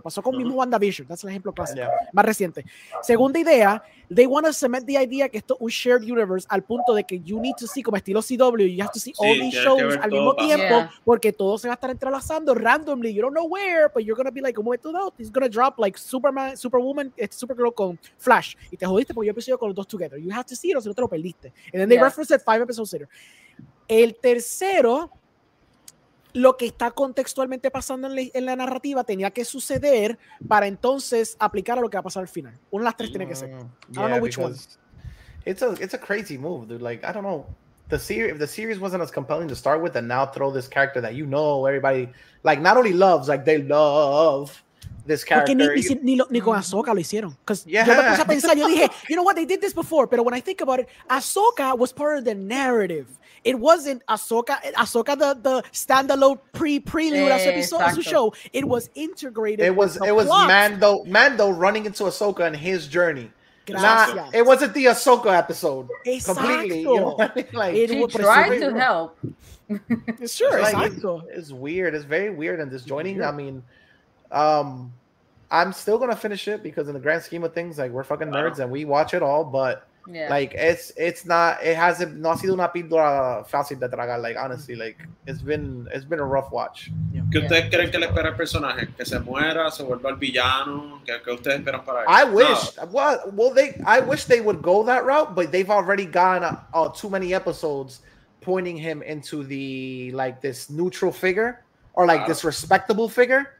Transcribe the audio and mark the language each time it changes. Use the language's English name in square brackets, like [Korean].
[Spanish] Pasó con mismo WandaVision. That's el ejemplo clásico. Más reciente. Segunda idea, [English] they want to cement the idea [Spanish] que esto es un [English] shared universe [Spanish] al punto de que [English] you need to see, [Spanish] como estilo CW, [English] you have to see all these shows [Spanish] al mismo tiempo porque todo se va a estar entrelazando [English] randomly. You don't know where, but you're going to be like, [Spanish] un momento dado, [English] it's going to drop like Superman, Superwoman, Supergirl con Flash. Y te jodiste porque yo episodio con los dos together. You have to see it, o si no te lo perdiste. And then they reference it five episodes later. [Spanish] El tercero, lo que está contextualmente pasando en la narrativa tenía que suceder para entonces aplicar a lo que va a pasar al final. Una de las tres tiene que ser. [English] I don't know which one. It's a crazy move, dude. Like, I don't know. if the series wasn't as compelling to start with, and now throw this character that you know everybody like not only loves, like they love this character. [Spanish] Ni con Ahsoka lo hicieron. [English] You know what? They did this before, but when I think about it, Ahsoka was part of the narrative. It wasn't Ahsoka, the standalone prelude episode show. It was integrated. It was Mando running into Ahsoka and his journey. Not, it wasn't the Ahsoka episode. [Spanish] Exacto. [English] Completely. You know what I mean? Like, trying to help. Sure. It's weird. It's very weird. And this joining, I mean, I'm still gonna finish it because in the grand scheme of things, like we're fucking nerds and we watch it all, but yeah. Like it hasn't [Spanish] sido una píldora fácil de tragar. [English] Like honestly, like it's been a rough watch. [Spanish] ¿Ustedes creen que le espera el personaje que se muera, se vuelva el villano? ¿Qué ustedes esperan para eso? [English] I wish they would go that route, but they've already gone too many episodes pointing him into the like this neutral figure or like this respectable figure.